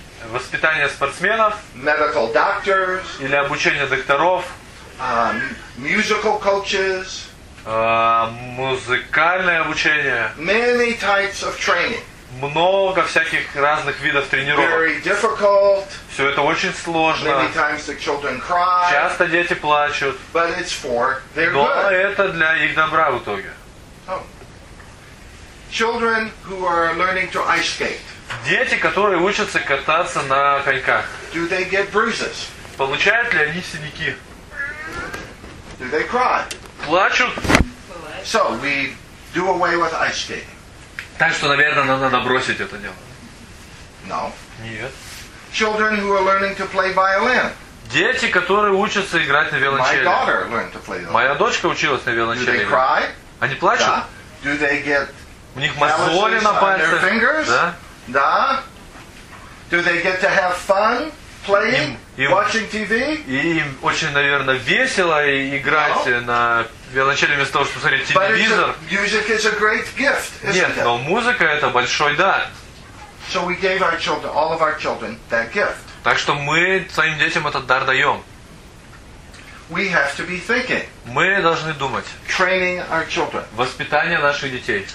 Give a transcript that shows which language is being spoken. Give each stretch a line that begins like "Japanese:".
Russian: воспитание спортсменов,
English: medical doctors,
Russian: или обучение докторов,
English: musical coaches,
Russian: музыкальное обучение,
English: many types of training.
Russian: Много всяких разных видов тренировок.
English: Very difficult.
Russian: Все это очень сложно.
English: Many times the children cry.
Russian: Часто дети плачут.
English: But it's for their
Russian: но
English: good.
Russian: Это для их добра в итоге. Oh.
English: Children who are learning to ice skate.
Russian: Дети, которые учатся кататься на коньках.
English: Do they get bruises?
Russian: Получают ли они синяки?
English: Do they cry?
Russian: Плачут.
English: So we do away with ice skating.
Russian: Так что, наверное, нам надо бросить это дело.
English: No.
Russian: Нет.
English: Children who are learning to play violin.
Russian: Дети, которые учатся играть на виолончели.
English: My daughter learned to play violin.
Russian: Моя дочка училась на виолончели.
English: Do they cry?
Russian: Они плачут? Да.
English: Do they get
Russian: у них мозоли на пальцах?
English: On their fingers?
Russian: Да. Да.
English: Do they get to have fun playing, watching TV?
Russian: Им очень, наверное, весело играть
English: no.
Russian: на виолончели вместо того, чтобы смотреть телевизор.
English: Music is a great gift, isn't
Russian: нет, но музыка
English: it?
Russian: Это большой дар.
English: So we gave our children, all of our children, that gift.
Russian: Так что мы своим детям этот дар даем.
English: We have to be thinking.
Russian: Мы должны думать.
English: Training our children.
Russian: Воспитание наших детей.